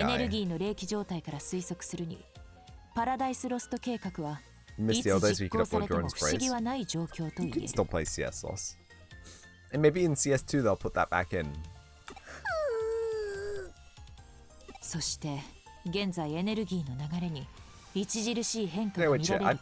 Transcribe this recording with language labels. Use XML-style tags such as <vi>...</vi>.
<ja>エネルギーの冷気状態から推測するに、パラダイスロスト計画は、いつ実行されても不思議はない状況と言える。</ja> <en>You can still play CS Loss. And maybe in CS2 they'll put that back in.</en> <ja>そして現在エネルギーの流れに著しい変化が見られるポイントがある。</ja>